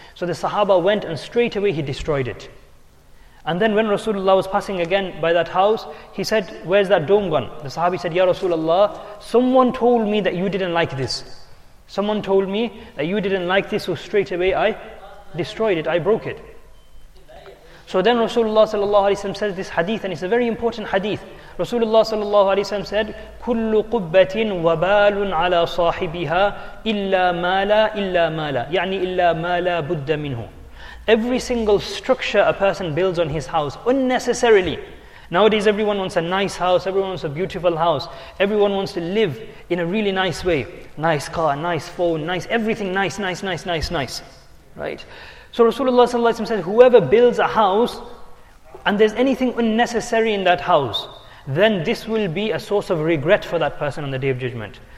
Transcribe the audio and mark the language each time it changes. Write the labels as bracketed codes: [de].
[en] So the sahaba went and straight away he destroyed it. And then when Rasulullah was passing again by that house, he said, where's that dome gone? The sahabi said, Ya Rasulullah, someone told me that you didn't like this. Someone told me that you didn't like this, so straight away I destroyed it, I broke it. So then Rasulullah sallallahu alaihi wasallam says this hadith, and it's a very important hadith. [ar] Rasulullah sallallahu alaihi wasallam said, كُلُّ قُبَّةٍ وَبَالٌ عَلَى صَاحِبِهَا إِلَّا مَا لَا يعني إِلَّا مَا لَا بُدَّ مِنْهُ. [en] Every single structure a person builds on his house, unnecessarily. Nowadays everyone wants a nice house, everyone wants a beautiful house, everyone wants to live in a really nice way. Nice car, nice phone, nice, everything nice. Right? So Rasulullah ﷺ said, whoever builds a house, and there's anything unnecessary in that house, then this will be a source of regret for that person on the Day of Judgment.